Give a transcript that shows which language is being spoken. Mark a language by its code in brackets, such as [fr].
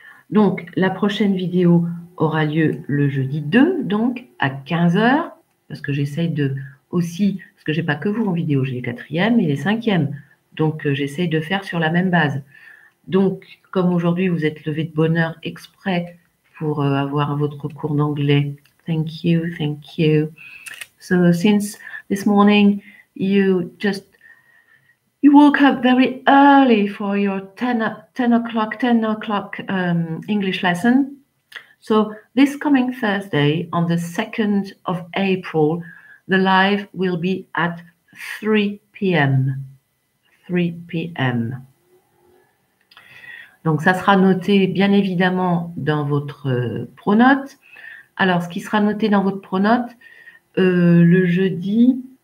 [fr] Donc, la prochaine vidéo aura lieu le jeudi 2, donc à 15h, parce que j'essaye de aussi, parce que j'ai pas que vous en vidéo, j'ai les quatrièmes et les cinquièmes, donc j'essaye de faire sur la même base. Donc, comme aujourd'hui, vous êtes levé de bonne heure exprès pour avoir votre cours d'anglais. [en] Thank you. So, since this morning, you woke up very early for your 10 o'clock English lesson. So this coming Thursday, on the 2nd of April, the live will be at 3 p.m. 3 p.m. [fr] Donc ça sera noté bien évidemment dans votre pronote. Alors ce qui sera noté dans votre pronote, le jeudi...